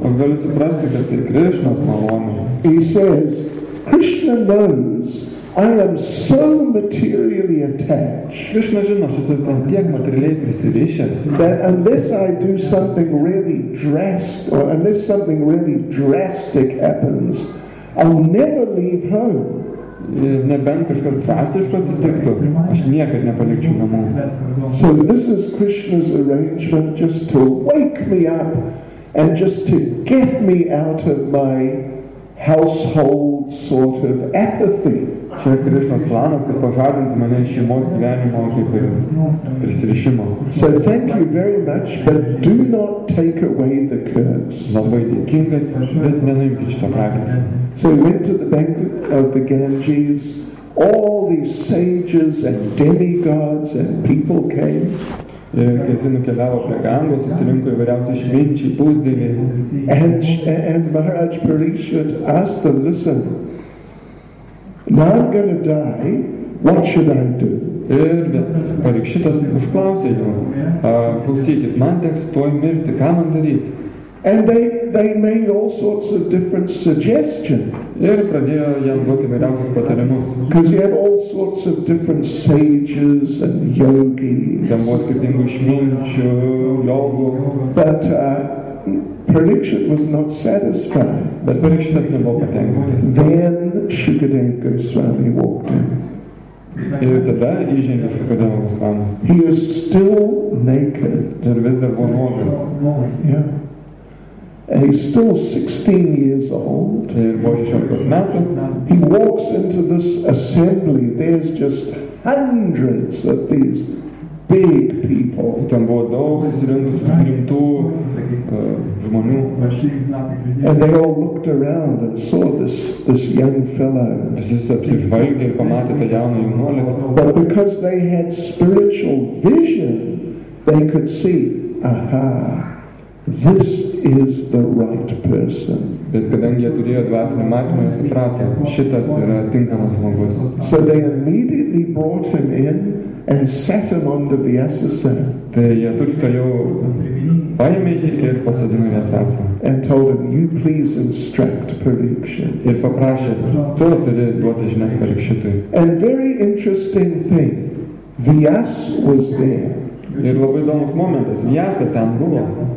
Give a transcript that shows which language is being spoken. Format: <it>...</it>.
<lt>Aš galiu suprasti, kad tai Krishna's malonė.</lt> <en>He says, "Krishna knows I am so materially attached."</en> <lt>Krishna žino, aš esu ten tiek materialiai prisirišęs.</lt> <en>That unless I do something really drastic, or unless something really drastic happens, I'll never leave home.</en> <lt>Nebent kažkas drastiško atsitiktų, aš niekad nepalikčiau namų.</lt> <en>So this is Krishna's arrangement just to wake me up and just to get me out of my household sort of apathy.</en> <lt>Čia Krishnos planas, kad pažadinti mane iš šeimos gyvenimo kaip ir prisirišimo.</lt> <en>So thank you very much, but do not take away the curse.</en> <lt>Labai dėkingas, bet nenuimkit šitą prakeiksmą.</lt> <en>So he went to the bank of the Ganges. All these sages and demigods and people came.</en> <lt>Kai jis nukeliavo prie Gangos, susirinko įvairiausi išminčiai, pusdieviai.</lt> <en>And Maharaj Parikshit asked them, "Listen, now I'm going to die, what should I do?"</en> <lt>Ir Parikshitas užklausė jų, klausykit, man teks tuoj mirti, ką man daryti?</lt> <en>And they made all sorts of different suggestions.</en> <lt>Ir pradėjo jam duoti įvairiausius patarimus.</lt> <en>Because you have all sorts of different sages and yogis.</en> <lt>Ten buvo skirtingų išminčių, jogų.</lt> <en>But Parikshit was not satisfied.</en> <lt>Bet Parikshitas nebuvo patenkintas.</lt> <en>Then Shukadeva Goswami walked in.</en> <lt>Ir tada įžengė Shukadeva Goswami.</lt> <en>He is still naked.</en> <lt>Ir vis dar buvo nuogas.</lt> <en>Yeah. He's still 16 years old. He walks into this assembly. There's just hundreds of these big people. And they all looked around and saw this young fellow. But because they had spiritual vision, they could see, aha, this is the right person.</en> <lt>Bet kadangi jie turėjo dvasinį matymą, jie supratė, šitas yra tinkamas žmogus.</lt> <en>So they immediately brought him in and sat him on the Vyasasana.</en> <lt>Tai jie tučtojau paėmė jį ir pasodino Vyasasana.</lt> <en>And told him, you please instruct Parikshit.</en> <lt>Ir paprašė, tu turi duoti žinias Parikshitui.</lt> <en>And very interesting thing, Vyas was there.</en> <lt>Ir labai įdomus momentas, Vyasa ten buvo.</lt>